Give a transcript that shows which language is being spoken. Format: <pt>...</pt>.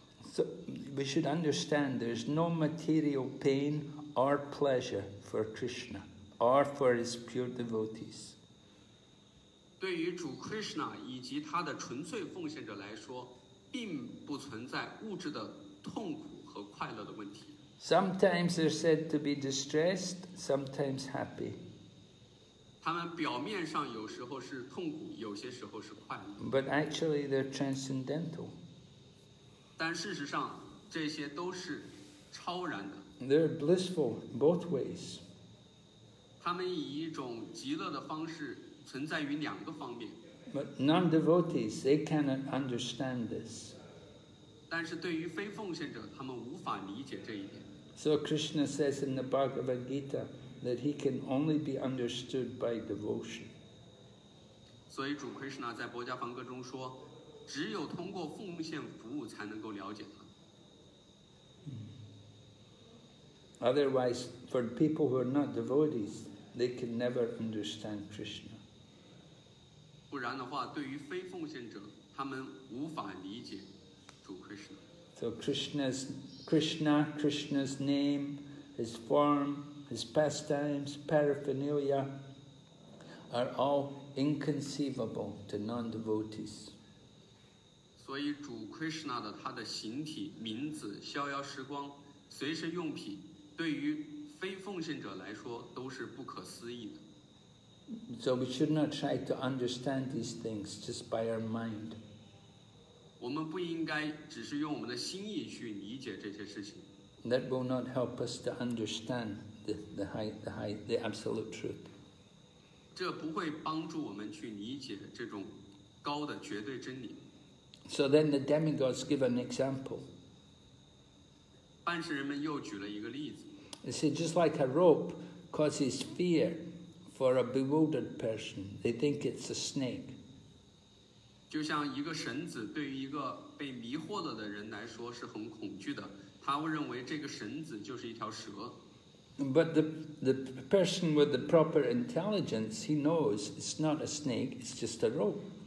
<en>So we should understand there is no material pain or pleasure for Krishna or for his pure devotees.</en> <zh>对于主 Krishna 以及他的纯粹奉献者来说，并不存在物质的痛苦和快乐的问题。</zh> <en>Sometimes they're said to be distressed, sometimes happy.</en> <zh>他们表面上有时候是痛苦，有些时候是快乐。</zh> <en>But actually, they're transcendental.</en> <zh>但事实上，这些都是超然的。</zh> <en>They're blissful both ways.</en> <zh>他们以一种极乐的方式存在于两个方面。</zh> <en>But non-devotees, they cannot understand this.</en> <zh>但是对于非奉献者，他们无法理解这一点。</zh> <en>So Krishna says in the Bhagavad Gita. That he can only be understood by devotion.</en> <zh>所以主 Krishna 在薄伽梵歌中说，只有通过奉献服务才能够了解他。</zh> <en>Otherwise, for people who are not devotees, they can never understand Krishna.</en> <zh>不然的话，对于非奉献者，他们无法理解主 Krishna.</zh> <en>So Krishna's name, his form. His pastimes, paraphernalia, are all inconceivable to non-devotees.</en> <zh>所以主 Krishna 的他的形体、名字、逍遥时光、随身用品，对于非奉献者来说都是不可思议的。</zh> <en>So we should not try to understand these things just by our mind.</en> <zh>我们不应该只是用我们的心意去理解这些事情。</zh> <en>That will not help us to understand. The absolute truth.</en> <zh>这不会帮助我们去理解这种高的绝对真理。</zh> <en>So then the demigods give an example.</en> <zh>半世人们又举了一个例子。</zh> <en>They say just like a rope causes fear for a bewildered person, they think it's a snake.</en> <zh>就像一个绳子对于一个被迷惑了的人来说是很恐惧的，他会认为这个绳子就是一条蛇。</zh> <en>But the person with the proper intelligence, he knows it's not a snake, it's just a rope.</en>